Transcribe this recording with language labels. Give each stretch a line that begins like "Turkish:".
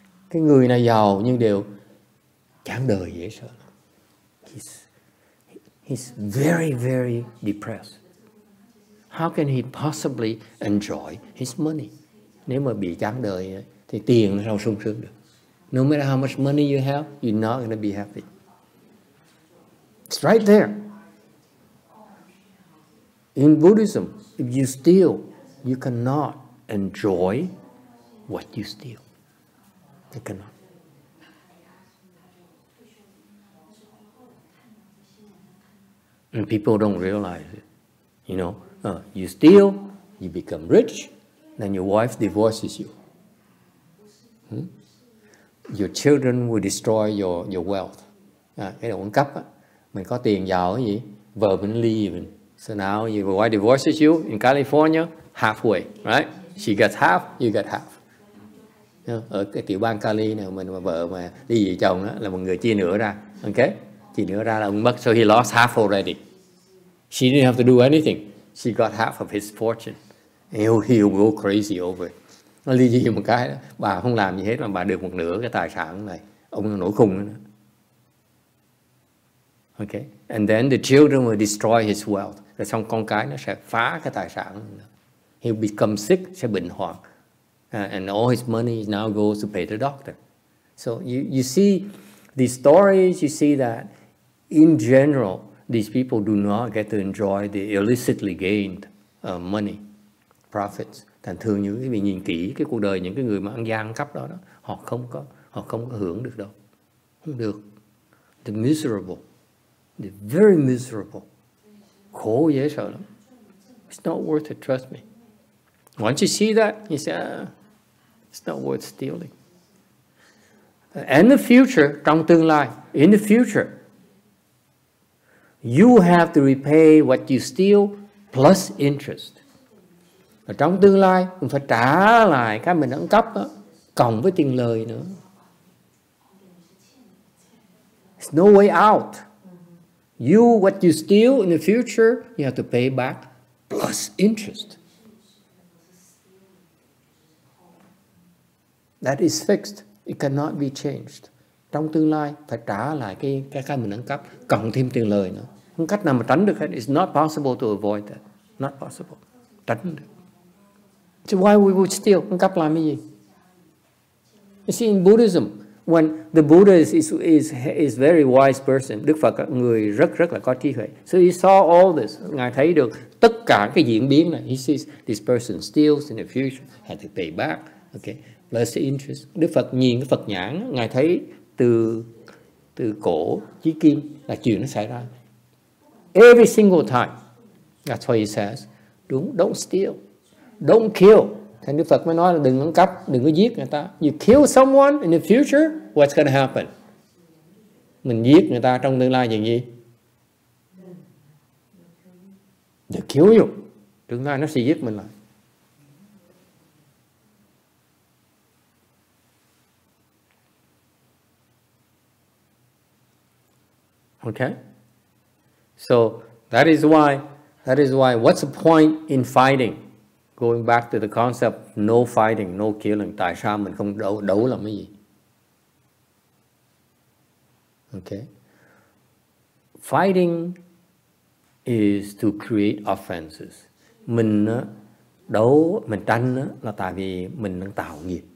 Vietnamese: Cái người này giàu nhưng đều chán đời dễ sợ.
English: He's very, very depressed. How can he possibly enjoy his money?
Vietnamese: Nếu mà bị chán đời thì tiền nó sao sung sướng được.
English: No matter how much money you have, you're not going to be happy. It's right there. In Buddhism, if you steal, you cannot enjoy what you steal. You cannot. And people don't realize it. You know, you steal, you become rich, then your wife divorces you. Your children will destroy your wealth.
Vietnamese: Cái đồ ăn cắp á, mình có tiền giàu gì, vợ mình ly mình.
English: So now your wife divorces you in California, halfway, right? She gets half, you get half.
Vietnamese: Ở cái tiểu bang Cali này, mình mà vợ mà ly dị chồng á, là một người chia nửa ra, okay? Chỉ nữa ra là ông mất,
English: so he lost half already. She didn't have to do anything. She got half of his fortune. He'll go crazy over it.
Vietnamese: Nó ly dị một cái đó. Bà không làm gì hết mà bà được một nửa cái tài sản này. Ông nổi khùng nữa.
English: Okay. And then the children will destroy his wealth.
Vietnamese: Rồi xong con cái nó sẽ phá cái tài sản.
English: He'll become sick,
Vietnamese: sẽ bệnh hoạn.
English: And all his money now goes to pay the doctor. So you see... These stories, you see that in general, these people do not get to enjoy the illicitly gained money, profits.
Vietnamese: Thành thường những cái mình nhìn kỹ cái cuộc đời những cái người mà ăn gian cắp đó, họ không có hưởng được đâu, không được.
English: The miserable, the very miserable,
Vietnamese: khổ dễ sợ lắm.
English: It's not worth it, trust me. Once you see that, you say, it's not worth stealing. And the future,
Vietnamese: trong tương lai,
English: in the future, you have to repay what you steal plus interest.
Vietnamese: Và trong tương lai, mình phải trả lại cái mình ăn cắp đó, cộng với tiền lời nữa.
English: There's no way out. You, what you steal in the future, you have to pay back plus interest. That is fixed. It cannot be changed.
Vietnamese: Trong tương lai phải trả lại cái mình nâng cấp cộng thêm tiền lời nữa. Không cách nào mà tránh được hết.
English: It's not possible to avoid that. Not possible.
Vietnamese: Tránh được.
English: So why we would steal?
Vietnamese: Nâng cấp làm cái gì?
English: You see, in Buddhism, when the Buddha is very wise person,
Vietnamese: Đức Phật người rất rất là có trí huệ.
English: So he saw all this.
Vietnamese: Ngài thấy được tất cả cái diễn biến này.
English: He sees this person steals in the future, had to pay back. Okay. Plus interest.
Vietnamese: Đức Phật nhìn cái Phật nhãn, Ngài thấy từ cổ chí kim là chuyện nó xảy ra.
English: Every single time, that's what he says. Đúng, don't steal, don't kill.
Vietnamese: Thế Đức Phật mới nói là đừng ăn cắp, đừng có giết người ta.
English: You kill someone in the future, what's going to happen?
Vietnamese: Mình giết người ta trong tương lai chuyện gì?
English: They kill you.
Vietnamese: Tương lai nó sẽ giết mình lại.
English: Okay, so that is why, what's the point in fighting? Going back to the concept, no fighting, no killing.
Vietnamese: Tại sao mình không đấu làm cái gì?
English: Okay, fighting is to create offenses.
Vietnamese: Mình đấu, mình tranh là tại vì mình đang tạo nghiệp.